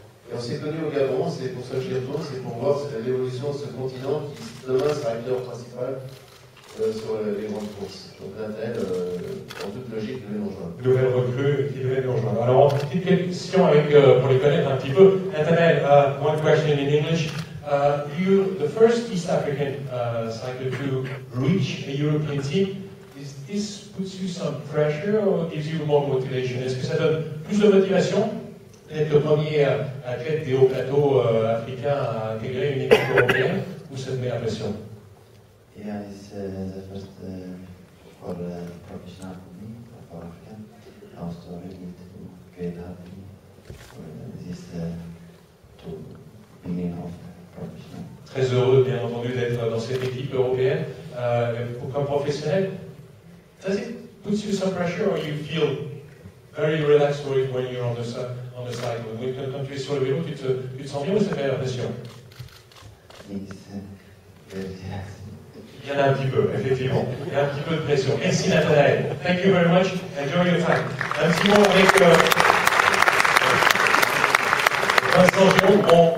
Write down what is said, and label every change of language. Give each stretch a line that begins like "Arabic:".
French: Et on s'est connus au Gabon, c'est pour ça que j'y retourne, c'est pour voir l'évolution de ce continent qui, demain, sera acteur principal sur les grandes courses. Donc, Nathanaël, en toute logique, devait nous rejoindre. Nouvelle recrue qui devait nous rejoindre. Alors, en petite question pour les connaître un petit peu.
English: Nathanaël, one question in English. You, the first East African cycle to reach a European team, is this puts you some pressure or gives you more motivation?
French: Est-ce que ça donne plus de motivation d'être le premier athlète des hauts plateaux africains à intégrer une équipe européenne ou ça te met la pression?
English: Yeah, it's the first for professional for me, for Africa. I was really to get happy for this to beginning of professional.
French: Très heureux, bien entendu, d'être dans cette équipe européenne comme professionnel.
English: Does it put you some pressure, or you feel very relaxed when you're on the side? When we come to
French: sur le vélo, tu te sens bien ou ça fait la pression? Il y en a un petit peu, effectivement. Il y a un petit peu de pression. Merci Nathanaël.
English: Thank you very much. Enjoy your time.
French: Un petit mot avec Vincent Giraud.